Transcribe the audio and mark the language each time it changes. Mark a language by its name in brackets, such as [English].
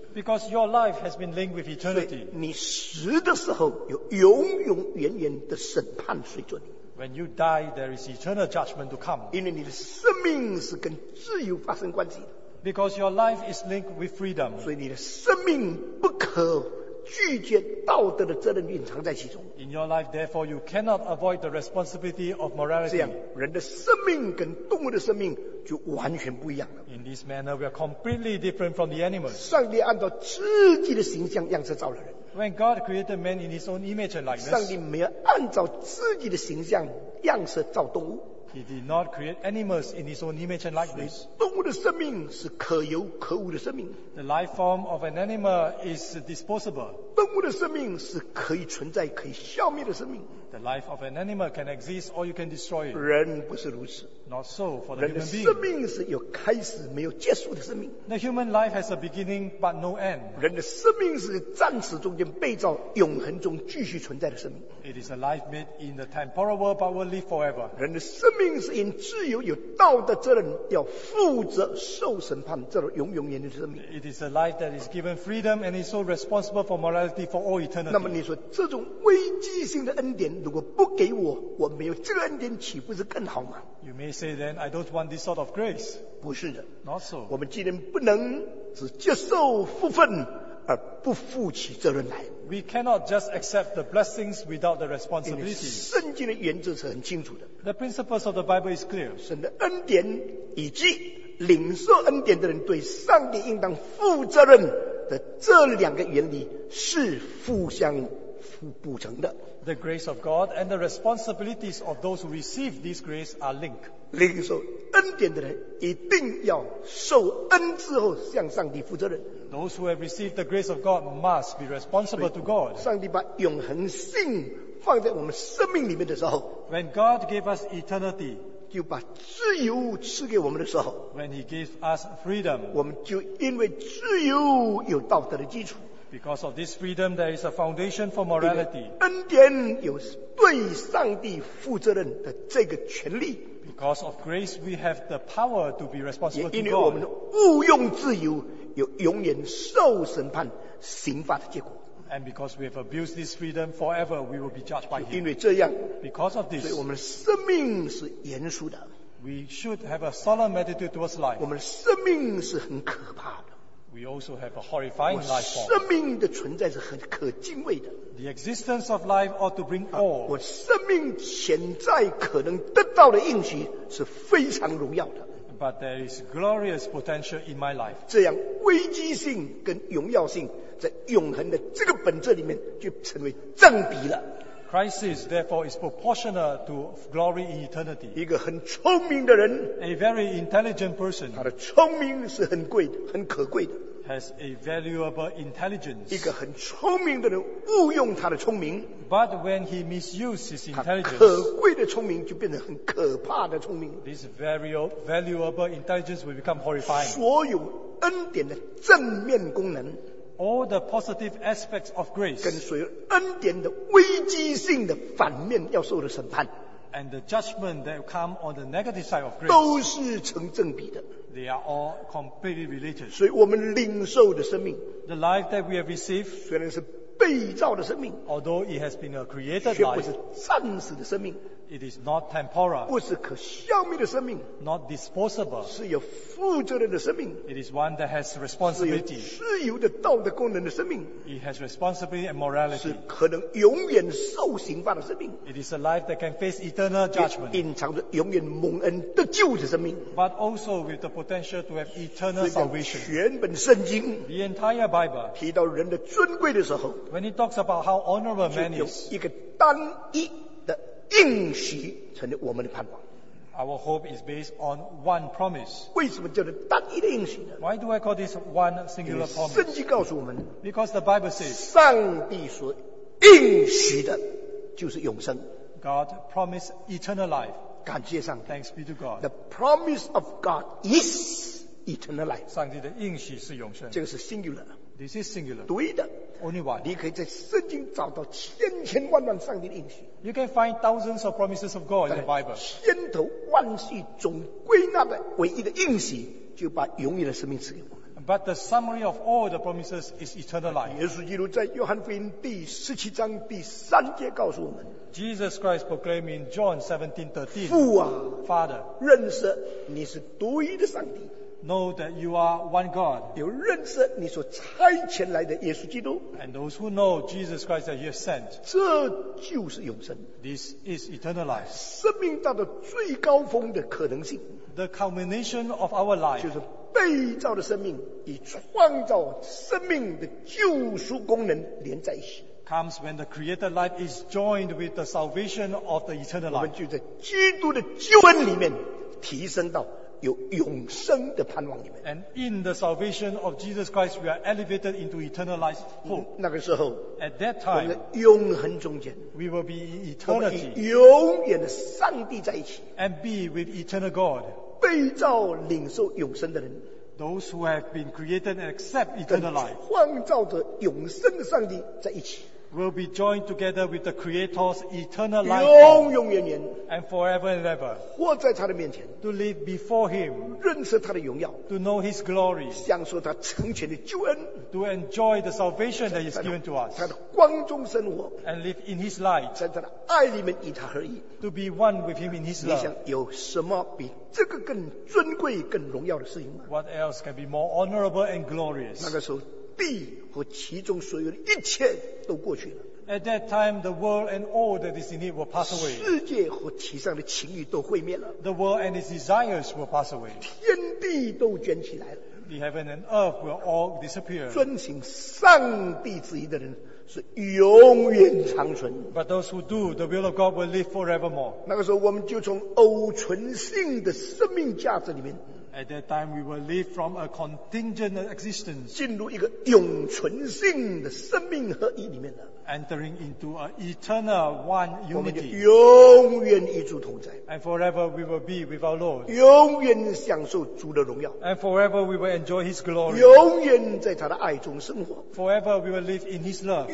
[English] Because your life has been linked with eternity. [Chinese] 你死的时候有永永远远的审判随着你。 [English] When you die, there is eternal judgment to come. [Chinese] 因为你的生命是跟自由发生关系的。 [English] Because your life is linked with freedom. [Chinese] 所以你的生命不可拒绝道德的责任蕴藏在其中。 [English] In your life, therefore, you cannot avoid the responsibility of morality. [Chinese] 这样，人的生命跟动物的生命就完全不一样了。 [English] In this manner, we are completely different from the animals. [Chinese] 上帝按照自己的形象样式造了人。 [English] When God created man in His own image and likeness, [Chinese] 上帝没有按照自己的形象样式造动物。 [English] He did not create animals in His own image and likeness. [Chinese] 动物的生命是可有可无的生命。 [English] The life form of an animal is disposable. [Chinese] 动物的生命是可以存在、可以消灭的生命。 [English] The life of an animal can exist or you can destroy it. [Chinese] 人不是如此。 [English] Not so for the human being. [Chinese] 人的生命是有开始没有结束的生命。 [English] The human life has a beginning but no end. [Chinese] 人的生命是暂时中间被造、永恒中继续存在的生命。 [English] It is a life made in the temporal world but will live forever. [Chinese] 人的生命是因自由有道德责任要负责受审判这种永永远远的生命。 [English] It is a life that is given freedom and is so responsible for morality for all eternity. [Chinese] 那么你说这种危机性的恩典如果不给我，我没有这个恩典，岂不是更好吗？ [English] You may say then, I don't want this sort of grace. [Chinese] 不是的。 [English] Not so. [Chinese] 我们既然不能只接受福分而不负起责任来。 [English] We cannot just accept the blessings without the responsibility. [Chinese] 圣经的原则是很清楚的。 [English] The principles of the Bible is clear. [Chinese] 神的恩典以及领受恩典的人对上帝应当负责任的这两个原理是互相补成的。 [English] The grace of God and the responsibilities of those who receive this grace are linked. [Chinese] 领受恩典的人一定要受恩之后向上帝负责任。 [English] Those who have received the grace of God must be responsible to God. [Chinese] 上帝把永恒性放在我们生命里面的时候， [English] When God gave us eternity, [Chinese] 就把自由赐给我们的时候， [English] When He gave us freedom, [Chinese] 我们就因为自由有道德的基础。 [English] Because of this freedom, there is a foundation for morality. [Chinese] 恩典有对上帝负责任的这个权利。 [English] Because of grace, we have the power to be responsible to God. [Chinese] 也因为我们误用自由，有永远受审判、刑罚的结果。 [English] And because we have abused this freedom, forever we will be judged by Him. [Chinese] 因为这样 [English] ，because of this, [Chinese] 所以我们生命是严肃的。 [English] We should have a solemn attitude towards life. [Chinese] 我们生命是很可怕的。 [English] We also have a horrifying life form. [Chinese] 我生命的存在是很可敬畏的。 [English] The existence of life ought to bring awe. [Chinese] 我生命潜在可能得到的应许是非常荣耀的。 [English] But there is glorious potential in my life. [Chinese] 这样危机性跟荣耀性在永恒的这个本质里面就成为正比了。 [English] Crisis, therefore, is proportional to glory in eternity. [Chinese] 一个很聪明的人 [English] ，a very intelligent person， [Chinese] 他的聪明是很贵的，很可贵的。 [English] Has a valuable intelligence. [Chinese] 一个很聪明的人误用他的聪明 [English] ，but when he misuses his intelligence， [Chinese] 可贵的聪明就变成很可怕的聪明。 [English] This very valuable intelligence will become horrifying. [Chinese] 所有恩典的正面功能。 [English] All the positive aspects of grace, [Chinese] 跟随恩典的危机性的反面要受的审判 [English] ，and the judgment that come on the negative side of grace, [Chinese] 都是成正比的 [English] ，they are all completely related. [Chinese] 所以我们领受的生命 [English] ，the life that we have received, [Chinese] 虽然是被造的生命 [English] ，although it has been a created life, [Chinese] 却不是暂时的生命 [English] ，it is not temporal, [Chinese] 不是可消灭的生命 [English] ，not disposable, [Chinese] 是有负责任的生命 [English] ，it is one that has responsibility, [Chinese] 是有自由的道德功能的生命 [English] ，it has responsibility and morality, [Chinese] 是可能永远受刑罚的生命 [English] ，it is a life that can face eternal judgment, [Chinese] 隐藏着永远蒙恩得救的生命 [English] ，but also with the potential to have eternal salvation. [Chinese] 全本圣经 [English] ，the entire Bible, [Chinese] 提到人的尊贵的时候。 [English] When he talks about how honorable man is, [Chinese] 就有一个单一的应许成了我们的盼望。 [English] Our hope is based on one promise. [Chinese] 为什么叫做单一的应许呢？ [English] Why do I call this one singular promise? [Chinese] 圣经告诉我们， [English] because the Bible says, [Chinese] 上帝所应许的就是永生。 [English] God promised eternal life. [Chinese] 感谢上帝。 [English] Thanks be to God. The promise of God is eternal life. [Chinese] 上帝的应许是永生。这个是 singular。 [English] This is singular. [Chinese] 对的 [English] ，Only one. [Chinese] 你可以在圣经找到千千万万上帝的应许。 [English] You can find thousands of promises of God in the Bible. [Chinese] 千头万绪总归纳的唯一的应许，就把永远的生命赐给我们。 [English] But the summary of all the promises is eternal life. [Chinese] 耶稣基督在约翰福音第十七章第三节告诉我们。 [English] Jesus Christ proclaimed in John 17:13. [Chinese] 父啊 [English] ，Father， [Chinese] 认识你是独一的上帝。 [English] Know that you are one God. [Chinese] 有认识你所差遣来的耶稣基督。 [English] And those who know Jesus Christ that you have sent. [Chinese] 这就是永生。 [English] This is eternal life. [Chinese] 生命到了最高峰的可能性。 [English] The culmination of our life. [Chinese] 就是被造的生命与创造生命的救赎功能连在一起。 [English] Comes when the created life is joined with the salvation of the eternal life. [Chinese] 我们就在基督的救恩里面提升到。有永生的盼望里面。 [English] And in the salvation of Jesus Christ, we are elevated into eternal life. [Chinese] 那个时候 [English] ，at that time， [Chinese] 我们在永恒中间 [English] ，we will be in eternity， [Chinese] 我们与永远的上帝在一起 [English] ，and be with eternal God。 [Chinese] 被造领受永生的人 [English] ，those who have been created and accept eternal life， [Chinese] 创造的永生的上帝在一起。 [English] Will be joined together with the Creator's eternal life, [Chinese] 永永远远 [English] and forever and ever, [Chinese] 活在他的面前 [English] to live before Him, [Chinese] 认识他的荣耀 [English] to know His glory, [Chinese] 享受他成全的救恩 [English] to enjoy the salvation that He's given to us, [Chinese] 在他的光中生活 [English] and live in His light, [Chinese] 在他的爱里面与他合一 [English] to be one with Him in His love. [Chinese] 你想有什么比这个更尊贵、更荣耀的事情吗？ [English] What else can be more honorable and glorious? [Chinese] 那个时候地和其中所有的一切都过去了。 [English] At that time, the world and all that is in it will pass away. [Chinese] 世界和其上的情欲都毁灭了。 [English] The world and its desires will pass away. [Chinese] 天地都卷起来了。 [English] The heaven and earth will all disappear. [Chinese] 遵行上帝旨意的人是永远长存。 [English] But those who do the will of God will live forevermore. [Chinese] 那个时候我们就从偶存性的生命价值里面。 [English] At that time, we will live from a contingent existence. [Chinese] 进入一个永存性的生命合一里面了。 [English] Entering into an eternal one unity. [Chinese] 我们就永远与主同在。 [English] And forever we will be with our Lord. [Chinese] 永远享受主的荣耀。 [English] And forever we will enjoy His glory. [Chinese] 永远在他的爱中生活。 [English] Forever we will live in His love.